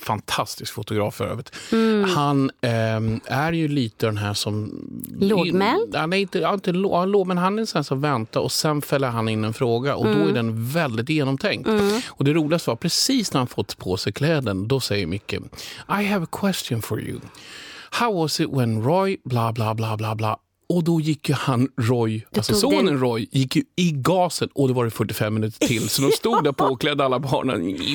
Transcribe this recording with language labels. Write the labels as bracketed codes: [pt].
[sv] Fantastisk fotograf för övrigt. Mm. Han är ju lite den här som... Lågmäld? Han är inte lågmäld, men han är så här som väntar. Och sen fäller han in en fråga. Och då är den väldigt genomtänkt. Mm. Och det roligaste var precis när han fått på sig kläden, då säger Micke, [en] I have a question for you. How was it when Roy bla bla bla bla bla. [sv] Och då gick ju han, Roy, alltså sonen den. Roy, gick ju i gasen. Och det var det 45 minuter till. Så de stod där påklädda alla barnen.